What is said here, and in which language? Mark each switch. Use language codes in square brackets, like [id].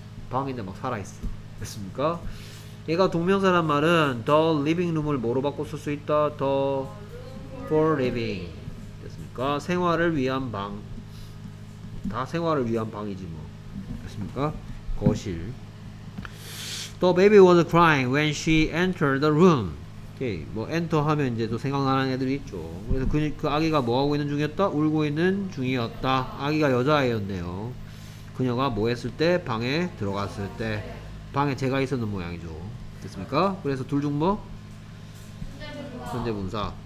[ko] 방인데 막 살아 있어. 됐습니까? 얘가 동명사란 말은 [en] the living room [ko] 을 뭐로 바꿔 쓸 수 있다? [en] the for living. [ko] 됐습니까? 생활을 위한 방. 다 생활을 위한 방이지 뭐. 됐습니까? 거실. [en] The baby was crying when she entered the room. [ko] 오케이. 뭐 엔터 하면 이제 또 생각나는 애들이 있죠. 그래서 그 아기가 뭐 하고 있는 중이었다? 울고 있는 중이었다. 아기가 여자아이였네요. 그녀가 뭐 했을 때? 방에 들어갔을 때. 방에 제가 있었는 모양이죠. 됐습니까? 그래서 둘 중 뭐? 현재분사.